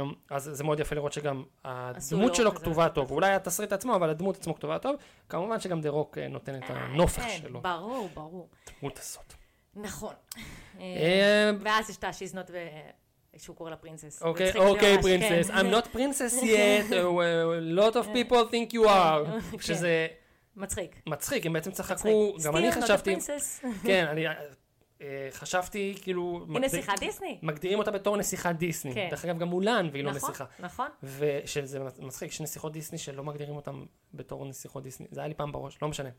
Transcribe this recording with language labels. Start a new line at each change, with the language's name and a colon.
Hebrew: אז זה מאוד יפה לראות שגם הדמות שלו כתובה טוב, אולי התסריט עצמו, אבל הדמות עצמו כתובה טוב, כמובן שגם דה רוק נותן את הנופך שלו. ברור, ברור. דמות הזאת. נכון. ואז יש את ה-
English: She's not,
Hebrew: שהוא קורא לה פרינסס. אוקיי, אוקיי, פרינסס.
English: I'm not princess yet, a lot of people think you are.
Hebrew: שזה... מצחיק. מצחיק, הם בעצם צחקו, גם אני חשבתי... כן, אני... חשבתי כאילו... היא נסיכה דיסני. מגדירים אותה בתור נסיכה דיסני. כן. דרך אגב גם מולן והיא לא נסיכה. נכון, נכון. ושזה מצחיק, שנסיכות דיסני שלא מגדירים אותם בתור נסיכות דיסני. זה היה לי פעם בראש, לא משנה.